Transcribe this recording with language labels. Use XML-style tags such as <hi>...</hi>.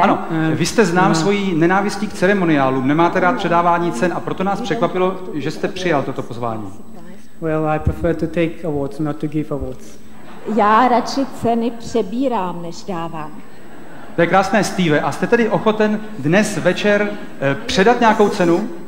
<cs>Ano, vy jste znám svojí nenávistí k ceremoniálům, nemáte rád předávání cen a proto nás překvapilo, že jste přijal toto pozvání.</cs> <en>Well, I prefer to take awards, not to give awards.</en> <cs>Já radši ceny přebírám, než dávám. To je krásné, Steve. A jste tedy ochoten dnes večer předat nějakou cenu?</cs>